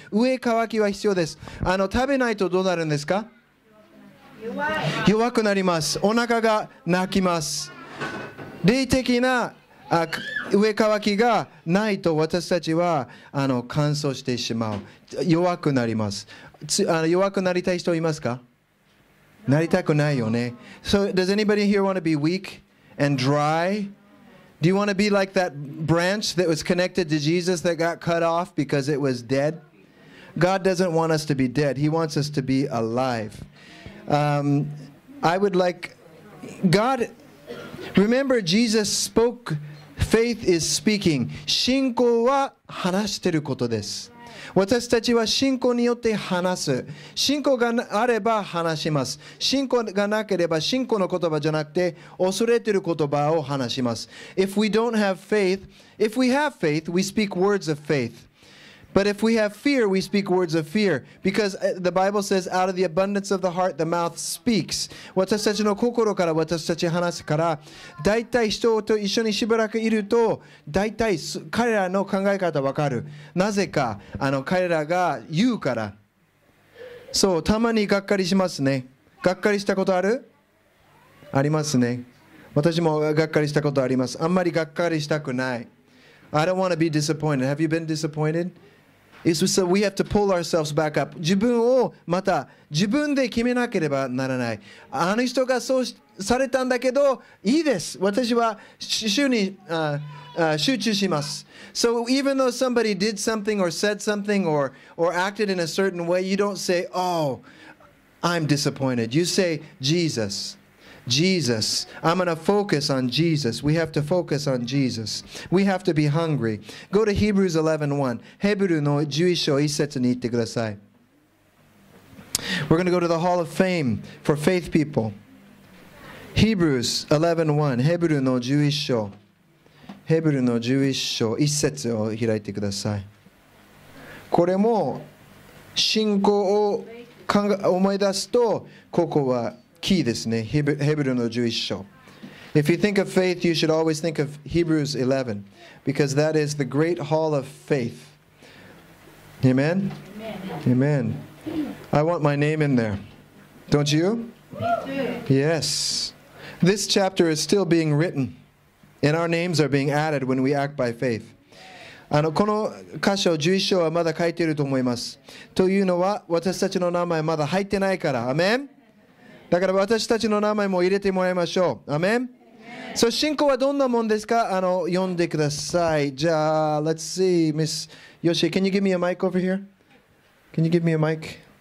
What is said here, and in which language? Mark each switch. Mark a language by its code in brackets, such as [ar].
[ja] 上渇きは必要です。食べないとどうなるんですか？弱くなります。お腹が泣きます。霊的な上渇きがないと私たちは乾燥してしまう。弱くなります。弱くなりたい人いますか？なりたくないよね。 [en] So, does anybody here want to be weak and dry? Do you want to be like that branch that was connected to Jesus that got cut off because it was dead? God doesn't want us to be dead. He wants us to be alive. I would like... GodRemember, Jesus spoke, faith is speaking. [ja] 信仰は話していることです。私たちは信仰によって話す。信仰があれば話します。信仰がなければ信仰の言葉じゃなくて恐れている言葉を話します。 [en] If we don't have faith, if we have faith, we speak words of faith. But if we have fear, we speak words of fear. Because the Bible says, out of the abundance of the heart, the mouth speaks. [ja] 私たちの心から私たち話すから、大体人と一緒にしばらくいると、大体彼らの考え方わかる。なぜか、彼らが言うから。そう、たまにがっかりしますね。がっかりしたことある？ありますね。私もがっかりしたことあります。あんまりがっかりしたくない。 [en] I don't want to be disappointed. Have you been disappointed? It's so we have to pull ourselves back up. [ja] 自分をまた自分で決めなければならない。あの人がそうされたんだけど、いいです。私は集中します。 [en] So even though somebody did something or said something or acted in a certain way, you don't say, oh, I'm disappointed. You say, Jesus. Jesus. I'm going to focus on Jesus. We have to focus on Jesus. We have to be hungry. Go to Hebrews 11:1. [ja] Hebrews の11章1節に行ってください。 [en] We're going to go to the Hall of Fame for faith people. [ja] Hebrews 11:1. Hebrews の11章。Hebrews の11章1節を開いてください。これも信仰を思い出すと、ここはキーですね。ヘブルの11章。 [en] If you think of faith, you should always think of Hebrews 11, because that is the great hall of faith. Amen? Amen. Amen. I want my name in there. Don't you? Yes. This chapter is still being written, and our names are being added when we act by faith. [ja] この箇所11章はまだ書いていると思います。というのは、私たちの名前まだ入ってないから。 [en] Amen? [ja] だから私たちの名前も入れてもらいましょう。アメン。そう、信仰はどんなもんですか？読んでください。じゃあ、 [en] Let's see, Miss Yoshie, can you give me a mic over here? Can you give me a mic?